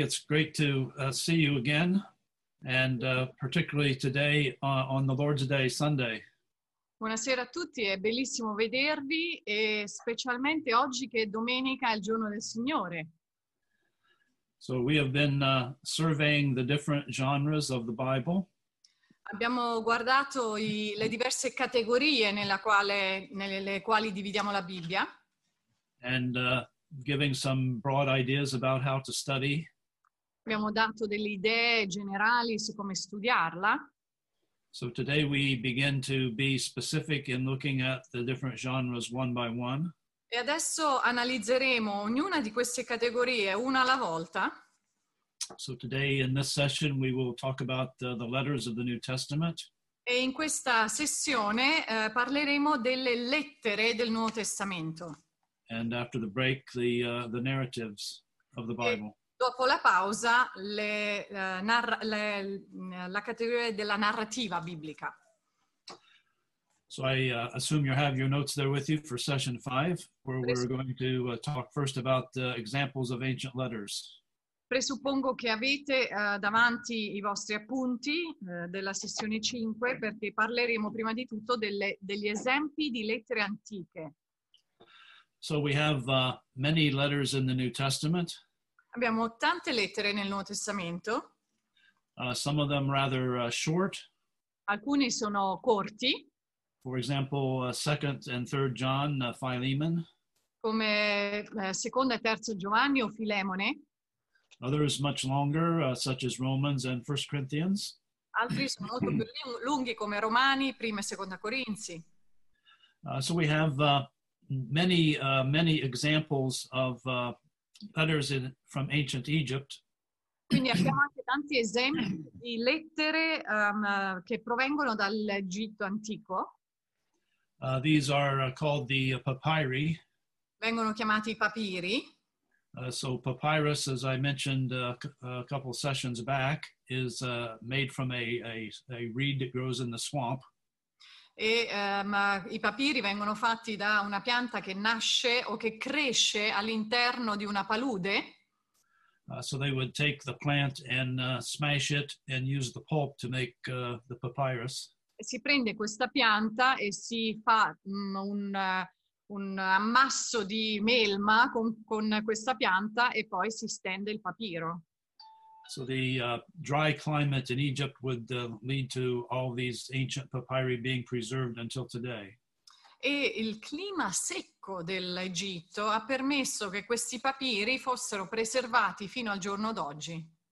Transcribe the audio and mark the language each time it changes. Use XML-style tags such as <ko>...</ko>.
<en>It's great to see you again, and particularly today on the Lord's Day, Sunday.</en> <it>Buonasera a tutti. È bellissimo vedervi, e specialmente oggi che è domenica, il giorno del Signore.</it> <en>So we have been surveying the different genres of the Bible.</en> <it>Abbiamo guardato le diverse categorie nelle quali dividiamo la Bibbia.</it> <en>And giving some broad ideas about how to study.</en> <it>Abbiamo dato delle idee generali su come studiarla.</it> <en>So today we begin to be specific in looking at the different genres one by one.</en> <it>E adesso analizzeremo ognuna di queste categorie una alla volta.</it> <en>So today in this session we will talk about the letters of the New Testament.</en> <it>E in questa sessione parleremo delle lettere del Nuovo Testamento.</it> <en>And after the break, the narratives of the Bible.</en> <it>Dopo la pausa, la categoria della narrativa biblica.</it> <en>So I assume you have your notes there with you for session 5, where we're going to talk first about the examples of ancient letters.</en> <it>Presuppongo che avete davanti i vostri appunti della sessione 5, perché parleremo prima di tutto degli esempi di lettere antiche.</it> <en>So we have many letters in the New Testament.</en> <it>Abbiamo tante lettere nel Nuovo Testamento.</it> <en>Some of them rather short.</en> <it>Alcuni sono corti.</it> <en>For example, 2nd and 3rd John, Philemon.</en> <it>Come seconda e terza Giovanni o Filemone.</it> <en>Others much longer, such as Romans and 1 Corinthians.</en> <it>Altri sono molto più lunghi, come Romani, prima e seconda Corinzi.</it> <en>So we have many examples of letters from ancient Egypt.</en> <it>Quindi abbiamo anche tanti esempi di lettere che provengono dall'Egitto antico.</it> <en>These are called the papyri.</en> <it>Vengono chiamati papiri.</it> <en>So papyrus, as I mentioned a couple sessions back, is made from a reed that grows in the swamp.</en> <it>E i papiri vengono fatti da una pianta che nasce o che cresce all'interno di una palude.</it> <en>So they would take the plant and smash it and use the pulp to make the papyrus.</en> <it>Si prende questa pianta e si fa un ammasso di melma con questa pianta e poi si stende il papiro.</it> <en>So the dry climate in Egypt would lead to all these ancient papyri being preserved until today.</en> <it>E il clima secco dell'Egitto ha permesso che questi papiri fossero preservati fino al giorno d'oggi.</it>